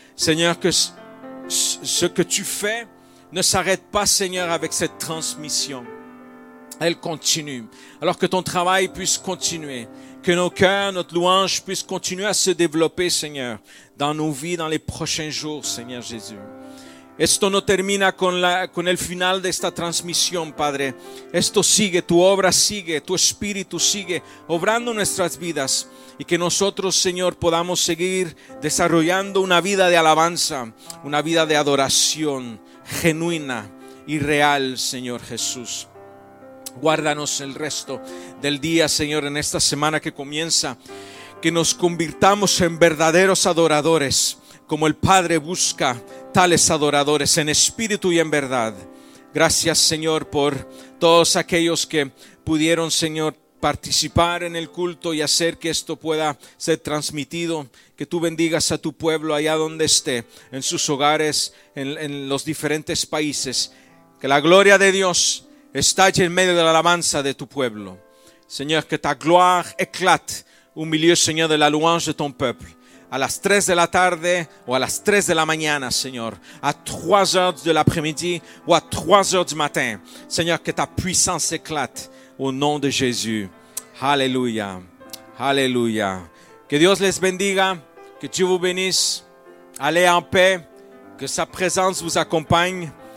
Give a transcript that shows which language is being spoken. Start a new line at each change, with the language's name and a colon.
French: Seigneur, que ce que tu fais ne s'arrête pas Seigneur avec cette transmission. Elle continue. Alors que ton travail puisse continuer. Que nos cœurs, notre louange puisse continuer à se développer Seigneur. Dans nos vies, dans les prochains jours Seigneur Jésus.
Spanish: Esto no termina con el final de esta transmisión, Padre. Esto sigue, tu obra sigue, tu espíritu sigue obrando nuestras vidas. Y que nosotros, Señor, podamos seguir desarrollando una vida de alabanza, una vida de adoración genuina y real, Señor Jesús. Guárdanos el resto del día, Señor, en esta semana que comienza. que nos convirtamos en verdaderos adoradores, como el Padre busca tales adoradores en espíritu y en verdad. Gracias, Señor, por todos aquellos que pudieron, Señor, participar en el culto y hacer que esto pueda ser transmitido. Que tú bendigas a tu pueblo allá donde esté, en sus hogares, en los diferentes países. Que la gloria de Dios estalle en medio de la alabanza de tu pueblo.
French: Señor, que ta gloire éclate au milieu, Señor, de la louange de ton peuple.
Spanish: A las 3 de la tarde o a las 3 de la mañana, Señor.
French: A 3 heures de l'après-midi
Spanish: o a
French: 3 heures du matin. Señor, que ta puissance éclate au nom de Jésus.
Spanish: Aleluya. Aleluya. Que Dios les bendiga.
French: Que Dieu vous bénisse. Allez en paix. Que sa présence vous accompagne.